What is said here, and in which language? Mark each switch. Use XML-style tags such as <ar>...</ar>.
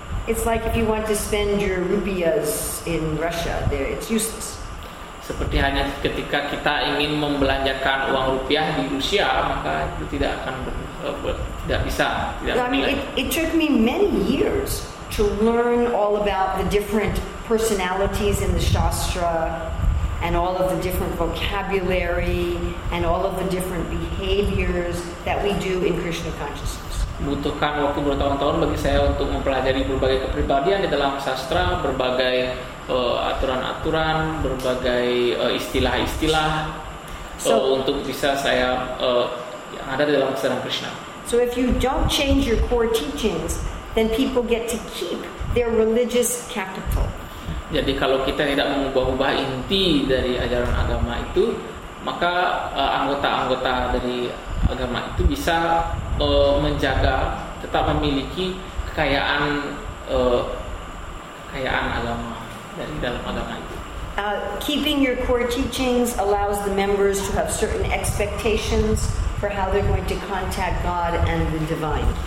<en>It's like if you want to spend your rupiahs in Russia, there it's useless.</en> <id>Seperti hanya ketika kita ingin membelanjakan uang rupiah di Rusia, maka itu tidak akan tidak bisa.</id> <en>I mean, it took me many years to learn all about the different personalities in the Shastra and all of the different vocabulary and all of the different behaviors that we do in Krishna consciousness.</en> <id>Membutuhkan waktu bertahun-tahun bagi saya untuk mempelajari berbagai kepribadian di dalam sastra, berbagai aturan-aturan, berbagai istilah-istilah. So, untuk bisa saya yang ada dalam kesadaran Krishna.</id> <en>So if you don't change your core teachings, then people get to keep their religious capital.</en> <id>Jadi kalau kita tidak mengubah-ubah inti dari ajaran agama itu, maka anggota-anggota dari agama itu bisa menjaga, tetap memiliki kekayaan kekayaan agama dari dalam agama itu.</id> <en>Keeping your core teachings allows the members to have certain expectations for how they're going to contact God and the divine.</en>